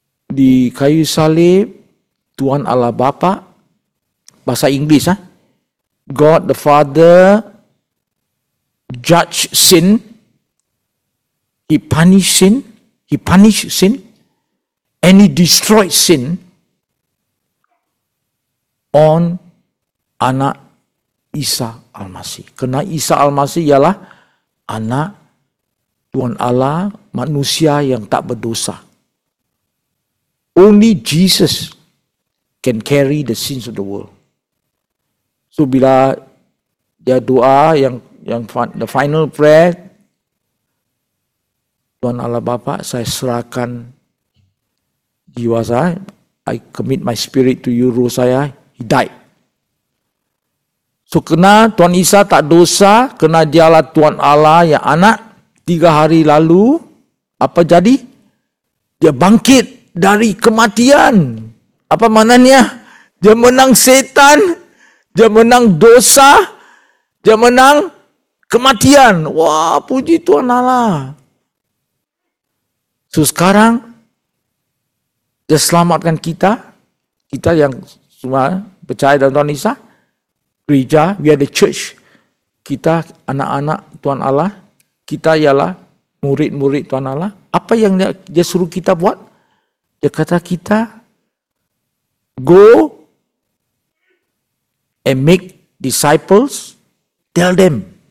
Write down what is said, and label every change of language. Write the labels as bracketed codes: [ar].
[ms] Di kayu salib, Tuhan Allah Bapa, bahasa Inggeris, [en] God the Father judge sin, He punish sin, He punish sin, and He destroy sin on anak Isa Almasih. [ms] Karena Isa Almasih ialah anak Tuhan Allah, manusia yang tak berdosa. [en] Only Jesus can carry the sins of the world. [ms] So bila dia doa yang the final prayer, Tuhan Allah Bapa, saya serahkan jiwa saya, [en] I commit my spirit to you, [ms] roh saya. [en] He died. [ms] So kena Tuhan Isa tak dosa, kena dialah Tuhan Allah yang anak. 3 hari lalu, apa jadi? Dia bangkit dari kematian. Apa maknanya? Dia menang setan, dia menang dosa, dia menang kematian. Wah, puji Tuhan Allah. So sekarang, dia selamatkan kita, kita yang semua percaya dalam Tuhan Isa, gereja, [en] we are the church, [ms] kita anak-anak Tuhan Allah, kita ialah murid-murid Tuhan Allah. Apa yang dia suruh kita buat? Dia kata kita, [en] go and make disciples, tell them.